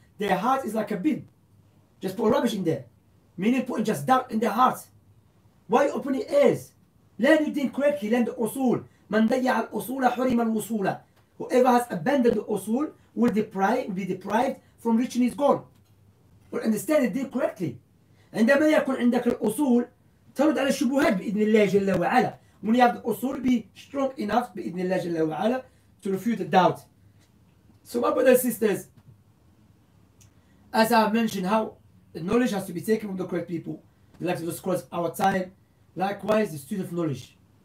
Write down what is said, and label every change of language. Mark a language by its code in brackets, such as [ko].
[en] Their heart is like a bin. Just put rubbish in there. Meaning putting just doubt in their heart. Why you open your ears? Learn your deen correctly, learn the usul. [ar] Man dayya al-usula hurim al-usula. [en] Whoever has abandoned the usul will be deprived from reaching his goal. Or understand the deen correctly. [ar] عندما يكون عندك الأصول ترد على الشبهات بإذن الله جل وعلا. [en] When you have the usul, be strong enough [ar] بإذن الله جل وعلا [en] to refute the doubt. So my brothers and sisters, as I mentioned, how the knowledge has to be taken from the correct people, the likes of the scholars of our time, likewise the student of knowledge.